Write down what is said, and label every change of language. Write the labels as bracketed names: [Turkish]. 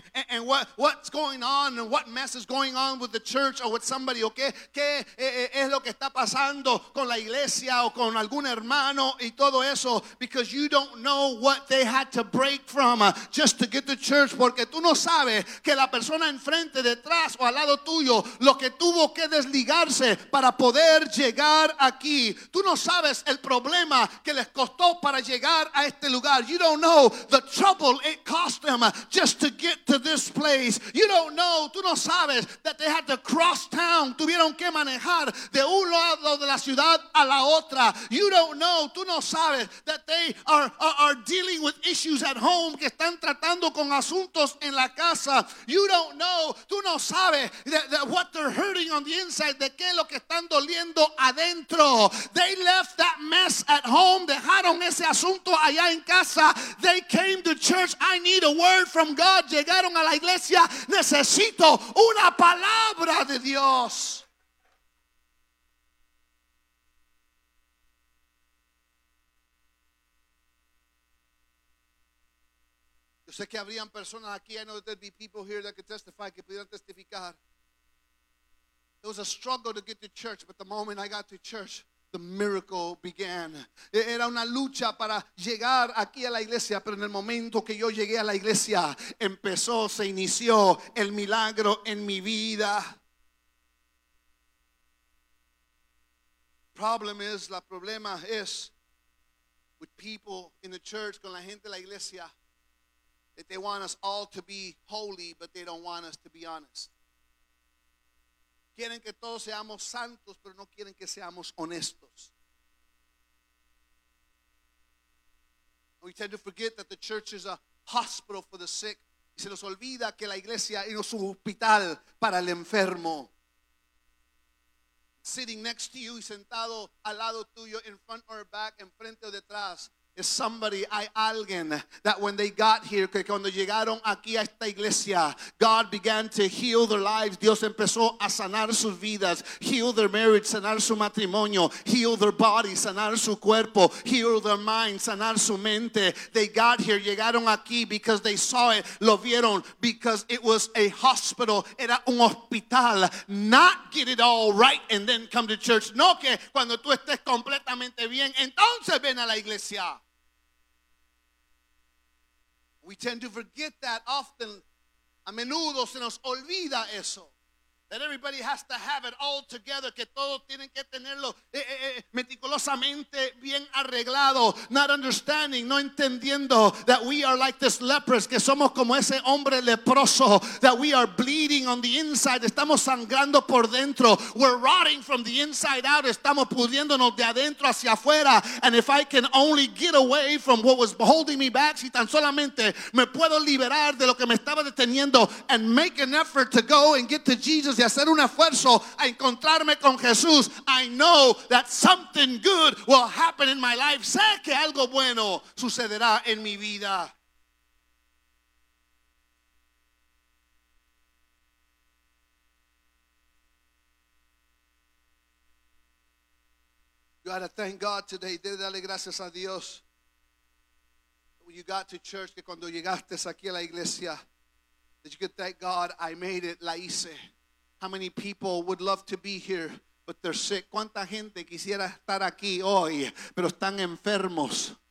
[English] and what's going on, and what mess is going on with the church or with somebody, [Spanish] o qué es lo que está pasando con la iglesia o con algún hermano y todo eso, [English] because you don't know what they had to break from just to get to church, [Spanish] porque tú no sabes que la persona enfrente, detrás o al lado tuyo, lo que tuvo que desligarse para poder llegar aquí. Tú no sabes el problema que les costó para llegar a este lugar. [English] You don't know the trouble it cost them just to get to this place. You don't know. [Spanish] Tú no sabes [English] that they had to cross town. [Spanish] Tuvieron que manejar de un lado de la ciudad a la otra. [English] You don't know. [Spanish] Tú no sabes [English] that they are dealing with issues at home, [Spanish] que están tratando con asuntos en la casa. [English] You don't know. [Spanish] Tú no sabes [English] that what they're hurting on the inside, [Spanish] de qué lo que están doliendo adentro. [English] They left that mess at home. [Spanish] Dejaron ese asunto allá en casa. [English] They came to church. I need a word from God. [Spanish] Llegaron a la iglesia. Necesito una palabra de Dios. Yo sé que habrían personas aquí. [English] I know that there'd be people here that could testify, [Spanish] que pudieran testificar. [English] It was a struggle to get to church, but the moment I got to church, The miracle began. [Spanish] Era una lucha para llegar aquí a la iglesia, pero en el momento que yo llegué a la iglesia, empezó, se inició el milagro en mi vida. El problema es [English] with people in the church, [Spanish] con la gente de la iglesia, [English] that they want us all to be holy, but they don't want us to be honest. [Spanish] Quieren que todos seamos santos, pero no quieren que seamos honestos. [English] We tend to forget that the church is a hospital for the sick. [Spanish] Y se nos olvida que la iglesia es un hospital para el enfermo. [English] Sitting next to you, [Spanish] sentado al lado tuyo, [English] in front or back, [Spanish] enfrente o detrás, [English] is somebody, [Spanish] hay alguien, [English] that when they got here, [Spanish] que cuando llegaron aquí a esta iglesia, [English] God began to heal their lives. [Spanish] Dios empezó a sanar sus vidas, [English] heal their marriage, [Spanish] sanar su matrimonio, [English] heal their body, [Spanish] sanar su cuerpo, [English] heal their mind, [Spanish] sanar su mente. [English] They got here, [Spanish] llegaron aquí [English] because they saw it, [Spanish] lo vieron, [English] because it was a hospital, [Spanish] era un hospital. [English] Not get it all right and then come to church. [Spanish] No, que cuando tú estés completamente bien, entonces ven a la iglesia. [English] We tend to forget that often. [Spanish] A menudo se nos olvida eso. [English] That everybody has to have it all together. [Spanish] Que todos tienen que tenerlo meticulosamente bien arreglado. [English] Not understanding, [Spanish] no entendiendo [English] that we are like this leprous. [Spanish] Que somos como ese hombre leproso. [English] That we are bleeding on the inside. [Spanish] Estamos sangrando por dentro. [English] We're rotting from the inside out. [Spanish] Estamos pudriéndonos de adentro hacia afuera. [English] And if I can only get away from what was holding me back. [Spanish] Si tan solamente me puedo liberar de lo que me estaba deteniendo. [English] And make an effort to go and get to Jesus. [Spanish] Y hacer un esfuerzo a encontrarme con Jesús. [English] I know that something good will happen in my life. [Spanish] Sé que algo bueno sucederá en mi vida. [English] You gotta thank God today. [Spanish] Debe darle gracias a Dios. [English] When you got to church, [Spanish] que cuando llegaste aquí a la iglesia, [English] that you could thank God, I made it, [Spanish] la hice. [English] How many people would love to be here, but they're sick? [Spanish] ¿Cuánta gente quisiera estar aquí hoy, pero están enfermos?